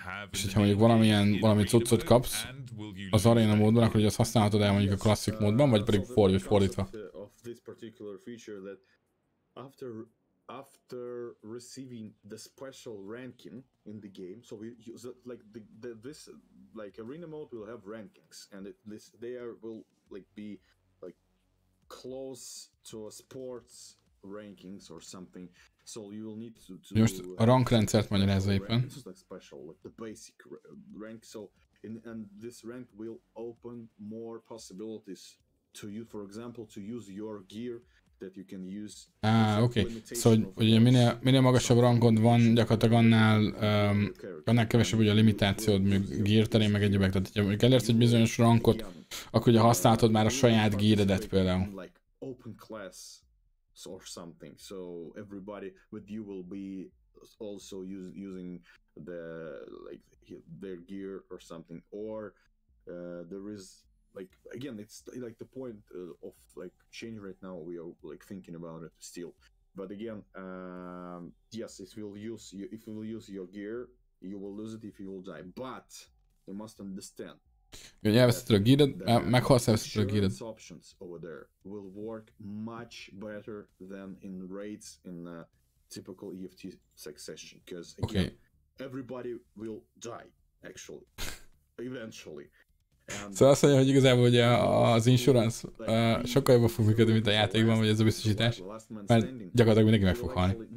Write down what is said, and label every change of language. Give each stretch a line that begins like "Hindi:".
Hungarian: És hogyha mondjuk valami cuccot kapsz az arena módban, akkor ugye azt használhatod el mondjuk a klasszik módban, vagy pedig fordítva.
English: This particular feature that after receiving the special ranking in the game, so we use it, like the this like arena mode will have rankings, and they will be close to a sports rankings or something, so you will need to
Hungarian: just a rank rendszert magyarázva éppen,
English: like special like the basic rank, so and this rank will open more possibilities to you, for example, to use your gear that you can use. Ah, okay.
Hungarian: So, ugye minél magasabb rangod van, gyakorlatilag annál kevesebb ugye a limitációd, még gear terén, meg egyébek. Tehát, ha elérsz egy bizonyos rangot, akkor ugye használhatod már a saját gearedet például.
English: Like open class or something. So everybody with you will be also using the like their gear or something. Or there is like again, it's like the point of like change right now. We are like thinking about it still, but again, yes, if you will use your gear, you will lose it if you will die. But you must understand. Options over there will work much better than in raids in a typical EFT succession, because again, everybody will die actually, eventually.
Hungarian: Szóval azt mondja, hogy igazából ugye az insurance sokkal jobban fog működni, mint a játékban, vagy ez a biztosítás, mert gyakorlatilag mindenki meg fog halni.